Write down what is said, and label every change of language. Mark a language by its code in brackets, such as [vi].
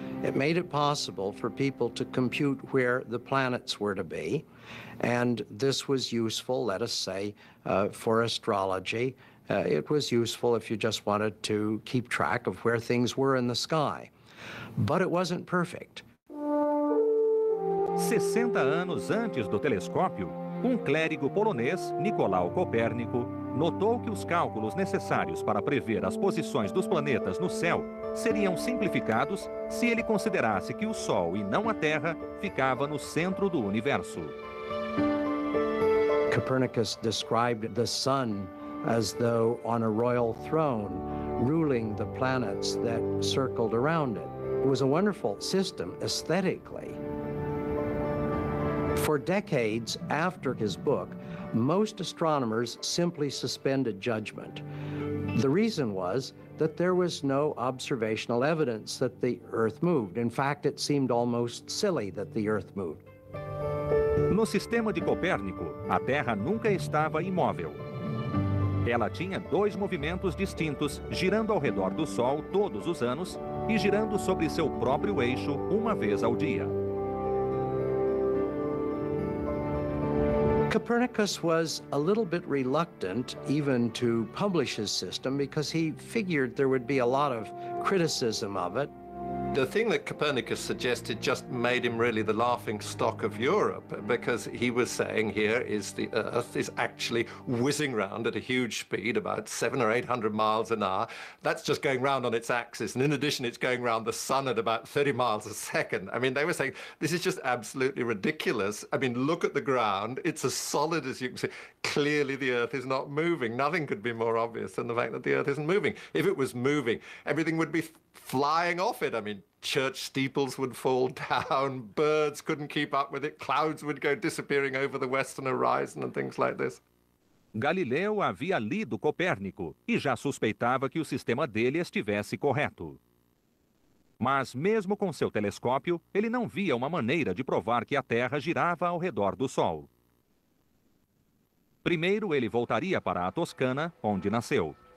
[en] It made it possible for people to compute where the planets were to be, and this was useful, let us say, for astrology. It was useful if you just wanted to keep track of where things were in the sky. But it wasn't perfect. [pt] 60 anos antes do telescópio, um clérigo polonês, Nicolau Copérnico, notou que os cálculos necessários para prever as posições dos planetas no céu seriam simplificados se ele considerasse que o Sol e não a Terra ficava no centro do universo. [en] Copernicus described the sun as though on a royal throne, ruling the planets that circled around it. It was a wonderful system aesthetically. For decades after his book, most astronomers simply suspended judgment. The reason was that there was no observational evidence that the Earth moved. In fact, it seemed almost silly that the Earth moved. [pt] No sistema de Copérnico, a Terra nunca estava imóvel. Ela tinha dois movimentos distintos, girando ao redor do Sol todos os anos e girando sobre seu próprio eixo uma vez ao dia. [en] Copernicus was a little bit reluctant even to publish his system because he figured there would be a lot of criticism of it. The thing that Copernicus suggested just made him really the laughing stock of Europe, because he was saying here is the Earth is actually whizzing round at a huge speed, about 700 or 800 miles an hour. That's just going round on its axis, and in addition, it's going round the sun at about 30 miles a second. I mean, they were saying, this is just absolutely ridiculous. I mean, look at the ground. It's as solid as you can see. Clearly, the Earth is not moving. Nothing could be more obvious than the fact that the Earth isn't moving. If it was moving, everything would be flying off it. I mean, church steeples would fall down, birds couldn't keep up with it, clouds would go disappearing over the western horizon and things like this. [pt] Galileu havia lido Copérnico e já suspeitava que o sistema dele estivesse correto. Mas mesmo com seu telescópio, ele não via uma maneira de provar que a Terra girava ao redor do Sol. Primeiro ele voltaria para a Toscana, onde nasceu.